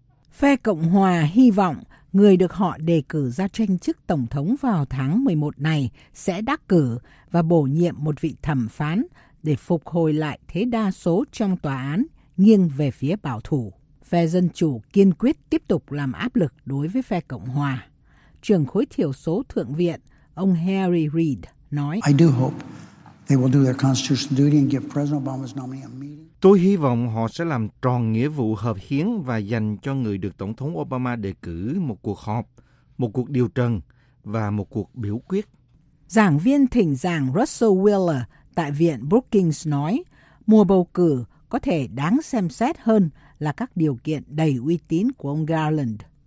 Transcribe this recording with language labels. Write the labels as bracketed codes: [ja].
[vi] Phe Cộng Hòa hy vọng người được họ đề cử ra tranh chức Tổng thống vào tháng 11 này sẽ đắc cử và bổ nhiệm một vị thẩm phán để phục hồi lại thế đa số trong tòa án nghiêng về phía bảo thủ. Phe Dân Chủ kiên quyết tiếp tục làm áp lực đối với phe Cộng Hòa. Trưởng khối thiểu số Thượng viện, ông Harry Reid, nói, [en] I do hope they will do their constitutional duty and give President Obama's nominee a meeting. [vi] Tôi hy vọng họ sẽ làm tròn nghĩa vụ hợp hiến và dành cho người được Tổng thống Obama đề cử một cuộc họp, một cuộc điều trần và một cuộc biểu quyết. Giảng viên thỉnh giảng Russell Wheeler tại Viện Brookings nói, mùa bầu cử có thể đáng xem xét hơn là các điều kiện đầy uy tín của ông Garland.